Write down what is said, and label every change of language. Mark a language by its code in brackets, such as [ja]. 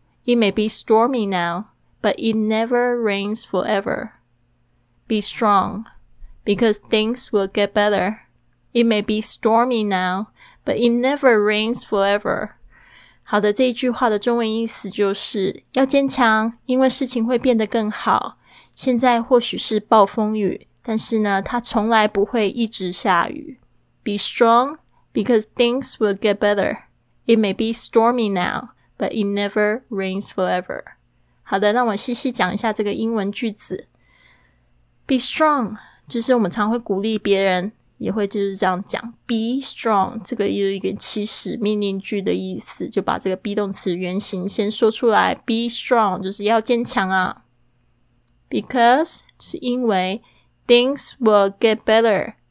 [en] It may be stormy now, but it never rains forever. Be strong, because things will get better. It may be stormy now, but it never rains forever. [zh] 好的，这一句话的中文意思就是要坚强，因为事情会变得更好。现在或许是暴风雨，但是呢，它从来不会一直下雨。 [en] Be strong,Because things will get better. It may be stormy now, but it never rains forever. [zh] 好的，那我细细讲一下这个英文句子。 [en] Be strong, [zh] 就是我们常会鼓励别人，也会就是这样讲。 [en] Be strong, [zh] 这个又一个祈使命令句的意思，就把这个 [en] be [zh] 动词原形先说出来。 [en] Be strong, [zh] 就是要坚强啊。 [en] Because, [zh] 就是因为 [en] things will get better.